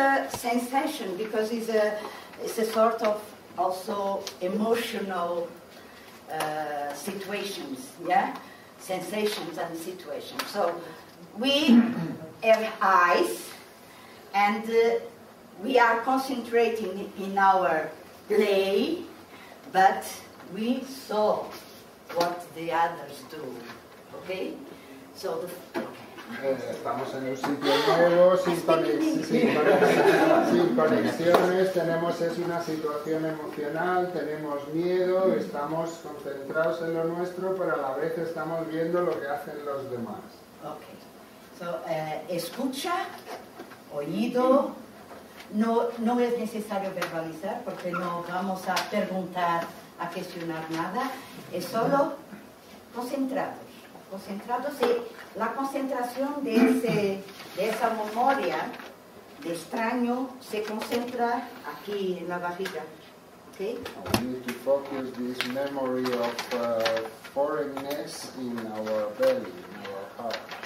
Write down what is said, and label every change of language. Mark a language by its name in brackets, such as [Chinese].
[English] Sensation, because it's a sort of also emotional situations, yeah, sensations and situations. So we have eyes, and we are concentrating in our play, but we saw what the others do. Okay, so the. [Spanish] Estamos en un sitio nuevo, sin conexiones, tenemos es una situación emocional, tenemos miedo, estamos concentrados en lo nuestro, pero a la vez estamos viendo lo que hacen los demás. [English] Ok. [Spanish] So, escucha, oído, no es necesario verbalizar porque no vamos a preguntar, a cuestionar nada, es solo concentrado. Concentrados y la concentración de esa memoria de extraño se concentra aquí en la barriga. [English] Okay? We need to focus this memory of foreignness in our belly, in our heart.